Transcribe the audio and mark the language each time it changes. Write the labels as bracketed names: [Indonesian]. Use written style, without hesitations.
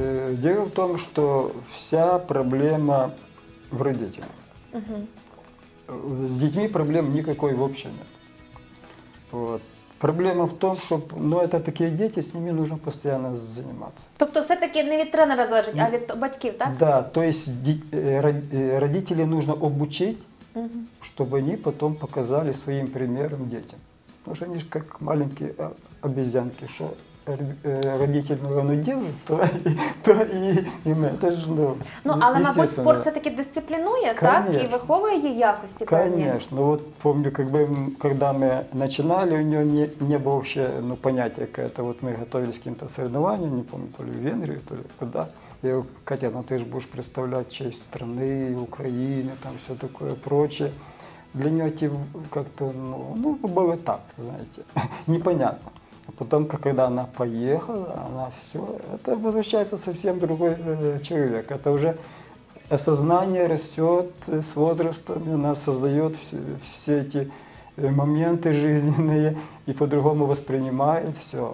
[Ukrainian] Діло в тому, що вся проблема в родителях. Угу. З дітьми проблем ніякої взагалі немає. От. Проблема в тому, що, ну, це такі діти, з ними потрібно постійно займатися. Тобто все-таки не від тренера залежить, а від батьків, так? [Russian] Да, то есть родителей нужно обучить, чтобы они потом показали своим примером детям. Потому что они же как маленькие обезьянки, что родитель много не делает, то и мы. Это же, [Ukrainian] ну, але, мабуть, спорт все-таки дисциплінує, конечно, так? И виховує її якості. [Russian] Конечно. Ну, вот помню, как бы, когда мы начинали, у него не было вообще, ну, понятия какое-то. Вот мы готовились к каким-то соревнованиям, не помню, то ли в Венгрию, то ли куда. Я говорю: Катя, ну ты же будешь представлять честь страны, Украины, там все такое прочее. [Ukrainian] Для нього ті как-то, ну, було так, знаєте, непонятно. А потім, коли вона поїхала, вона все, це визначається зовсім другий чоловік. Це вже осознання росте з возрастом, вона створює всі ці моменти життєві і по-другому сприймає все.